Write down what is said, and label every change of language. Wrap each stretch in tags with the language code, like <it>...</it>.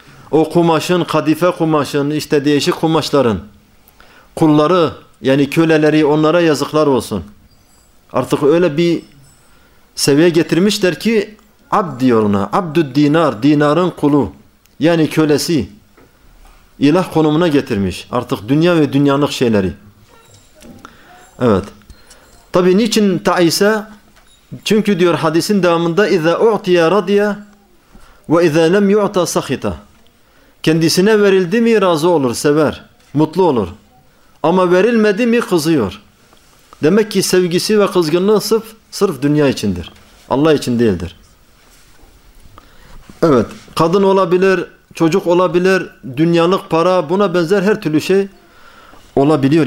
<tr>O kumaşın, kadife kumaşın, işte değişik kumaşların kulları, yani köleleri, onlara yazıklar olsun. Artık öyle bir seviye getirmişler ki abd diyor ona, abdü dinar, dinarın kulu, yani kölesi ilah konumuna getirmiş. Artık dünya ve dünyalık şeyleri. Evet. Tabii niçin Taise? Çünkü diyor hadisin devamında</tr> <ar>اِذَا اُعْتِيَ رَضِيَ وَاِذَا لَمْ يُعْتَ سَخِتَ.</ar> <tr>Kendisine verildi mi razı olur, sever, mutlu olur. Ama verilmedi mi kızıyor. Demek ki sevgisi ve kızgınlığı sırf dünya içindir. Allah için değildir. Evet, kadın olabilir, çocuk olabilir, dünyalık para, buna benzer her türlü şey olabiliyor.</tr>